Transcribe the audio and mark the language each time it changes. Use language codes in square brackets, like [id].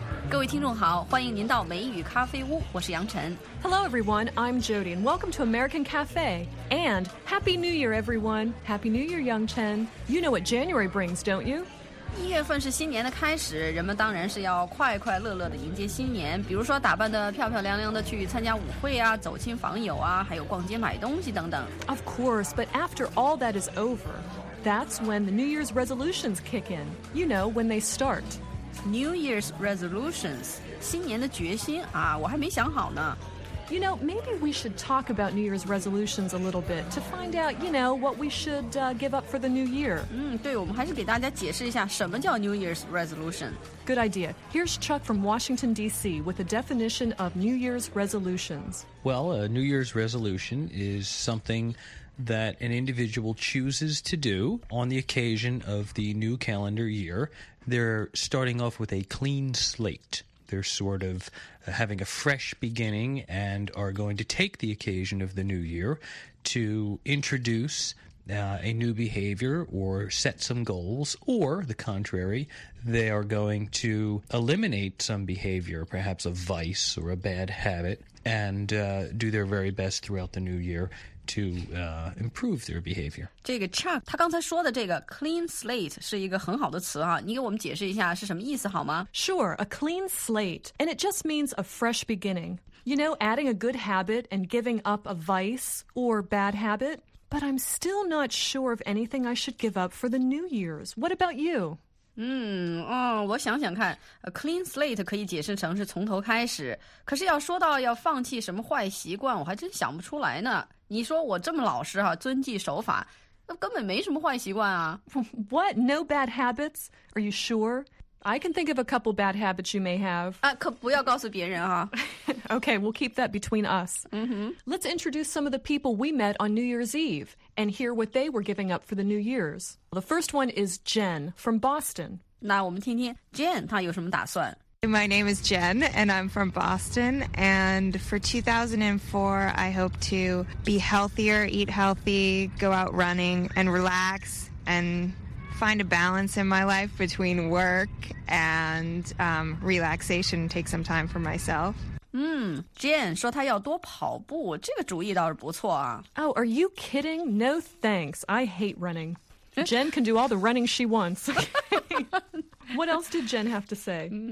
[zh] 各位听众好，欢迎您到美语咖啡屋，我是杨晨。 [en] Hello everyone, I'm Jody, and welcome to American Cafe. And Happy New Year, everyone. Happy New Year, Yang Chen. You know what January brings, don't you? [zh] 一月份是新年的开始，人们当然是要快快乐乐地迎接新年，比如说打扮得漂漂亮亮地去参加舞会啊，走亲访友啊，还有逛街买东西等等。 [en] Of course, but after all that is over, that's when the New Year's resolutions kick in. You know, when they start. [zh] New Year's resolutions, 新年的决心啊，我还没想好呢。 [en] You know, maybe we should talk about New Year's resolutions a little bit to find out, you know, what we should, give up for the new year. [zh] 对，我们还是给大家解释一下什么叫 New Year's resolution. [en] Good idea. Here's Chuck from Washington, D.C. with a definition of New Year's resolutions. Well, a New Year's resolution is something that an individual chooses to do on the occasion of the new calendar year. They're starting off with a clean slate. They're sort of having a fresh beginning and are going to take the occasion of the new year to introduce a new behavior or set some goals, or the contrary, they are going to eliminate some behavior, perhaps a vice or a bad habit, and do their very best throughout the new year. To improve their behavior. [zh] 这个 Chuck, 他刚才说的这个 clean slate 是一个很好的词啊，你给我们解释一下是什么意思好吗？ [en] Sure, a clean slate, and it just means a fresh beginning. You know, adding a good habit and giving up a vice or bad habit. But I'm still not sure of anything I should give up for the New Year's. What about you? [zh] 我想想看 ，a clean slate 可以解释成是从头开始。可是要说到要放弃什么坏习惯，我还真想不出来呢。你说我这么老实哈、啊，遵纪守法，那根本没什么坏习惯啊。 [en] What? No bad habits? Are you sure? I can think of a couple bad habits you may have. [zh] 啊，可不要告诉别人哈、啊。 [en] Okay, we'll keep that between us. Let's introduce some of the people we met on New Year's Eve and hear what they were giving up for the New Year's. The first one is Jen from Boston. [zh] 那我们听听 Jen 她有什么打算。 [en] My name is Jen, and I'm from Boston. And for 2004, I hope to be healthier, eat healthy, go out running, and relax, and find a balance in my life between work and relaxation, take some time for myself. [zh] Jen 说她要多跑步，这个主意倒是不错啊。 [en] Oh, are you kidding? No thanks. I hate running. Jen can do all the running she wants. What else did Jen have to say?